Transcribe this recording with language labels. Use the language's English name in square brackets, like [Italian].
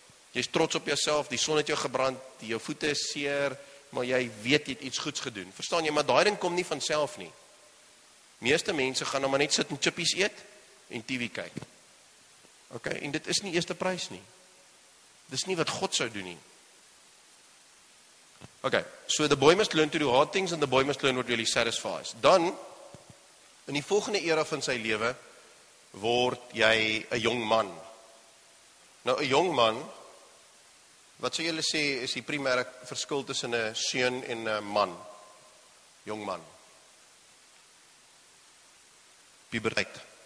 [Afrikaans] Jy is trots op jouself, die son het jou gebrand, jou voete is seer, maar jy weet jy het iets goeds gedoen. Verstaan jy, maar daai ding kom nie van self nie. Meeste mense gaan nou maar net sit en chippies eet en TV kyk. OK, en dit is nie eerste prys nie. Dis nie wat God sou doen nie. [English] OK, so the boy must learn to do hard things and the boy must learn what really satisfies. [Afrikaans] Dan, in die volgende era van sy lewe, word jy 'n jong man. Nou, 'n jong man, wat sou julle sê is die primêre verskil tussen 'n seun en 'n man? Jong man. Puberteit.